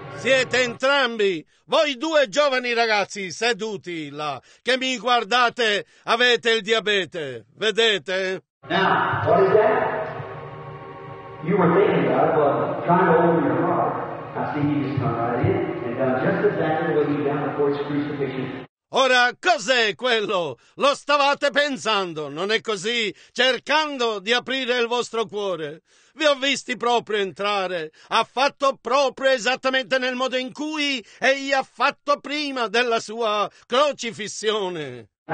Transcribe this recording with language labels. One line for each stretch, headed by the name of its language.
Italian: Siete entrambi, voi due giovani ragazzi seduti là, che mi guardate, avete il diabete, vedete?
English: Now, what is that? You were thinking about it, but trying to open your heart. I see you just come right in and done just exactly what you've done before his crucifixion.
Italian: Ora, cos'è quello? Lo stavate pensando, non è così? Cercando di aprire il vostro cuore. Vi ho visti proprio entrare. Ha fatto proprio esattamente nel modo in cui egli ha fatto prima della sua crocifissione.